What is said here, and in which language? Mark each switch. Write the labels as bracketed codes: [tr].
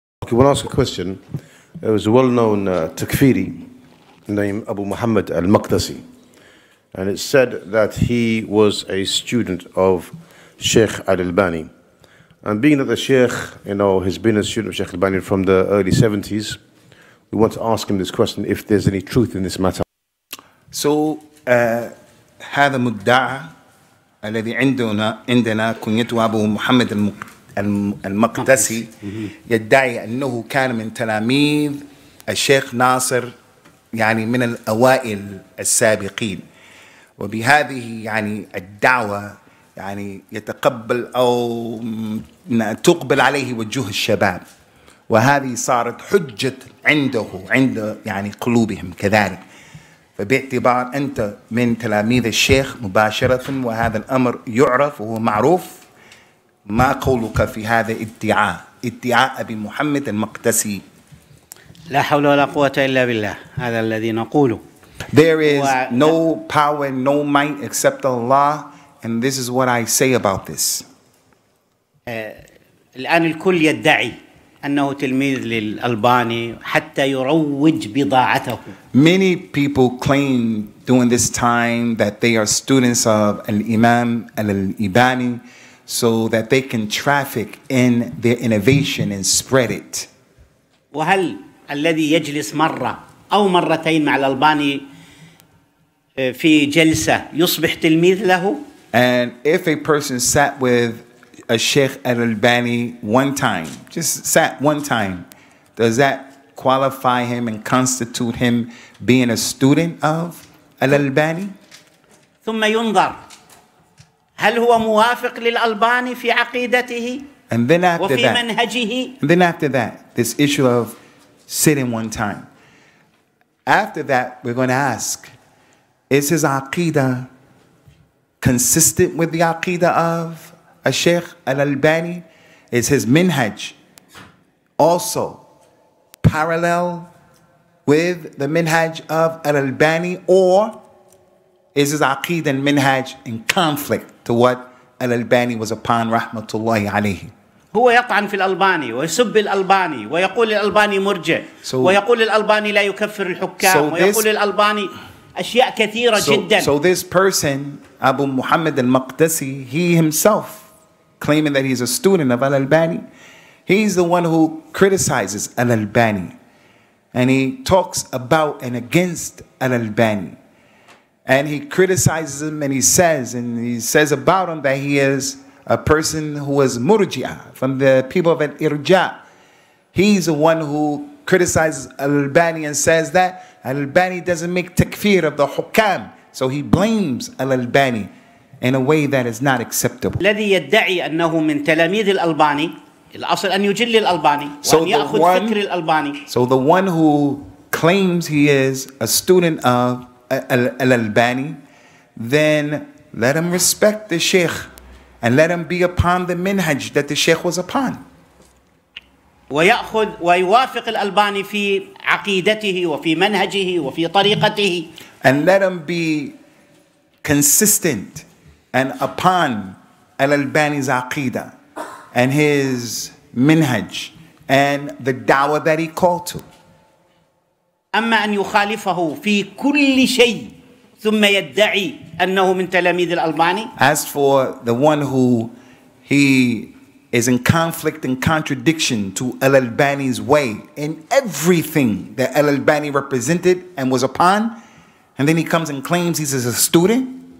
[en] You want to ask a question? There was a well-known takfiri named Abu Muhammad al-Maqdasi, and it said that he was a student of Sheikh al-Albani. And being that the Sheikh, you know, has been a student of Sheikh al-Albani from the early 70s, we want to ask him this question, if there's any truth in this matter. [ar] So, هذا مدعى الذي عندنا كنيته أبو محمد المقدسي يدعي أنه كان من تلاميذ الشيخ ناصر يعني من الأوائل السابقين وبهذه يعني الدعوة يعني يتقبل أو تقبل عليه وجوه الشباب وهذه صارت حجة عنده عند يعني قلوبهم كذلك فباعتبار أنت من تلاميذ الشيخ مباشرة وهذا الأمر يعرف وهو معروف ما قولك في هذا الادعاء ادعاء أبي محمد المقدسي لا حول ولا قوة إلا بالله هذا الذي نقوله [en] There is no power, no might except Allah, and this is what I say about this. [ar] الآن الكل يدعي أنه تلميذ للألباني حتى يروج بضاعته. [en] Many people claim during this time that they are students of al-Imam al-Albani so that they can traffic in their innovation and spread it. [ar] وهل الذي يجلس مرة أو مرتين مع الألباني في جلسة يصبح تلميذ له؟ [en] And if a person sat with a Sheikh al-Albani one time, just sat one time, does that qualify him and constitute him being a student of al-Albani? [ar] ثم ينظر هل هو موافق للألباني في عقيدته وفي منهجه؟ [en] And then after that, this issue of sitting one time. After that, we're going to ask, is his aqidah consistent with the aqidah of Sheikh al-Albani? Is his minhaj also parallel with the minhaj of al-Albani, or is his aqidah and minhaj in conflict to what al-Albani was upon, rahmatullahi alayhi? [ar] هو يطعن في الألباني ويسب الألباني ويقول الألباني مرجع ويقول الألباني لا يكفر الحكام ويقول الألباني أشياء كثيرة جدا. [en] So this person, Abu Muhammad al-Maqdasi, he himself claiming that he's a student of al-Albani, he's the one who criticizes al-Albani and he talks about and against al-Albani and he criticizes him and he says about him that he is a person who is murji'a, from the people of al-irja. He's the one who criticizes al-Albani and says that al-Albani doesn't make takfir of the hukam. So he blames al-Albani in a way that is not acceptable. [ar] الذي يدعي أنه من تلاميذ الألباني الأصل أن يجل الألباني وأن يأخذ فكر الألباني. [en] So the one who claims he is a student of al-Albani, then let him respect the sheikh. And let him be upon the minhaj that the Sheikh was upon. [ar] ويأخذ ويوافق الألباني في عقيدته وفي منهجه وفي طريقته. [en] And let him be consistent and upon al-Albani's aqida and his minhaj and the da'wah that he called to. [ar] أما أن يخالفه في كل شيء ثم يدعي أنه من تلاميذ الألباني. [en] As for the one who he is in conflict and contradiction to al-Albani's way in everything that al-Albani represented and was upon, and then he comes and claims he's a student.